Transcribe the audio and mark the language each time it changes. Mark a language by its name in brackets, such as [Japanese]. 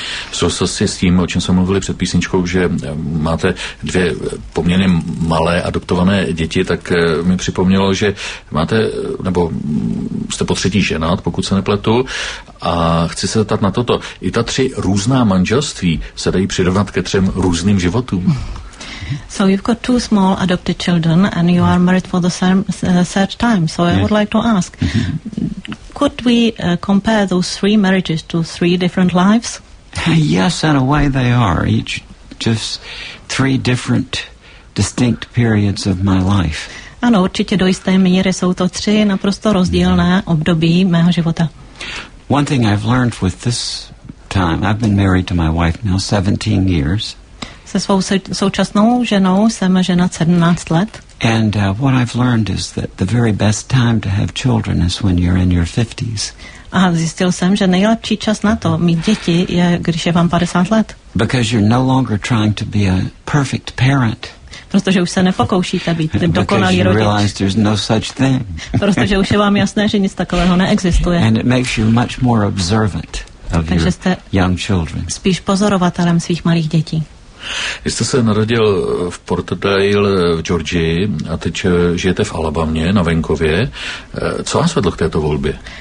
[Czech] V souvislosti s tím, o čem jsme mluvili před písničkou, že máte dvě poměrně malé adoptované děti, tak mi připomnělo, že máte, nebo jste po třetí ženat, pokud se nepletu, a chci se zeptat na toto. I ta tři různá manželství se dají přirovnat ke třem různým životům? [English] So you've got two small adopted children and you are married for the third time. So I would like to ask, could we compare those three marriages to three different lives? Yes, in a way they are. Each just three different distinct periods of my life. [Czech] Ano, určitě do jisté míry jsou to tři naprosto rozdílné období mého života. [English] One thing I've learned with this time, I've been married to my wife now 17 years. [Czech] Se svou současnou ženou jsem ženat 17 let. [English] And what I've learned is that the very best time to have children is when you're in your 50s. [Czech] A zjistil jsem, že nejlepší čas na to mít děti je, když je vám 50 let. [English] Because you're no longer trying to be a perfect parent. [Czech] Protože už se nepokoušíte být dokonalý rodič. [English] Because you realize there's no such thing. [Czech] Protože už je vám jasné, že nic takového neexistuje. [English] And it makes you much more observant of [Czech] Takže [English] your young children. [Czech] Spíš pozorovatelem svých malých dětí. Vy jste se narodil v Port Dale v Georgii a teď žijete v Alabamě na venkově. Co vás vedlo k této volbě?